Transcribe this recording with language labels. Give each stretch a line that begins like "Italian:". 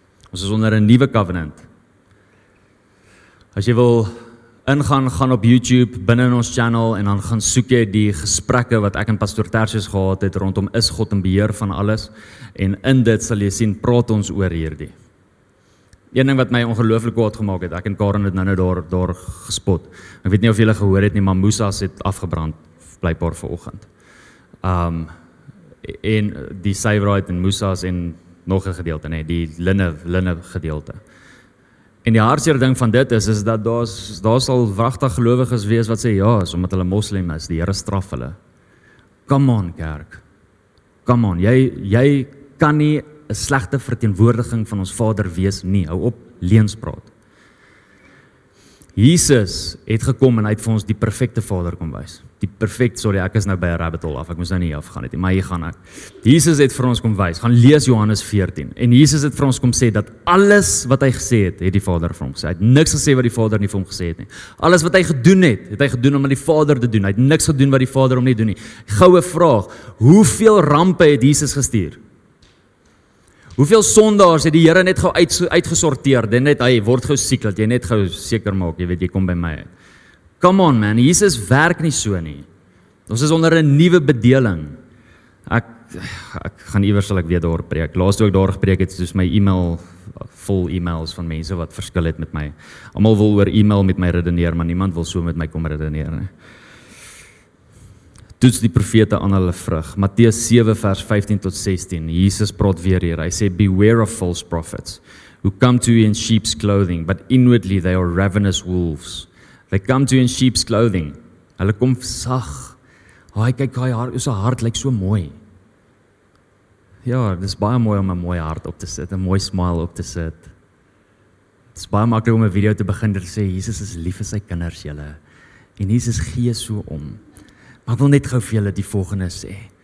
Afrikaans: Ons is onder 'n nuwe covenant. As jy wil ingaan, gaan op YouTube, binnen in ons channel, en dan gaan soek jy die gesprekke wat ek en Pastor Tertius gehad het, rondom is God in beheer van alles, en in dit sal jy sien, praat ons oor hierdie. Een ding wat my ongelooflik kwaad gemaak het, ek en Karen het nou daar gespot, ek weet nie of jy gehoor het nie, maar Moesas het afgebrand, blijkbaar vanoggend. En die Syverheid en Moesas en nog een gedeelte, nee, die linne gedeelte. En die hartseer ding van dit is dat daar sal wragtig gelowiges wees wat sê, ja, is omdat hulle moslim is, die Here straf hulle.
English: Come on,
Afrikaans: kerk.
English: Come on,
Afrikaans: jy kan nie 'n slegte verteenwoordiging van ons Vader wees nie. Hou op, leens praat. Jesus het gekom en hy het vir ons die perfekte Vader kom wys. Die perfect, sorry, ek is nou by 'n rabbit hole af, ek moes nou nie afgaan het, maar hier gaan ek. Jesus het vir ons kom wys, gaan lees Johannes 14, en Jesus het vir ons kom sê, dat alles wat hy gesê het, het die Vader vir hom gesê, hy het niks gesê wat die Vader nie vir hom gesê het nie. Alles wat hy gedoen het, het hy gedoen om aan die Vader te doen, hy het niks gedoen wat die Vader om nie doen nie. Goue vraag, hoeveel rampe het Jesus gestuur? Hoeveel sondaars het die Here net gauw uitgesorteer, en net, hy word gauw siek, dat jy net gauw seker maak, jy weet, jy kom by my uit.
English: Come on man,
Afrikaans: Jesus werk nie so nie. Ons is onder 'n nuwe bedeling. Ek gaan iewers sal ek weer daar preek. Laas toe ek daar gepreek het, soos my e-mail, vol e-mails van mense wat verskil het met my. Almal wil oor e-mail met my redeneer, maar niemand wil so met my kom redeneer. Toets die profete aan hulle vrug. Matthäus 7 vers 15 tot 16. Jesus praat weer hier.
English: Hy sê, beware of false prophets, who come to you in sheep's clothing, but inwardly they are ravenous wolves. They come to you in sheep's clothing.
Afrikaans: Hulle kom sag. Hy kyk, hy hart, sy hart lyk so mooi. Ja, dit is baie mooi om 'n mooi hart op te sit, 'n mooi smile op te sit. Dit is baie maklik om 'n video te begin en sê, Jesus is lief vir sy kinders, julle. En Jesus gee so om. Maar ek wil net gou vir julle die volgende sê.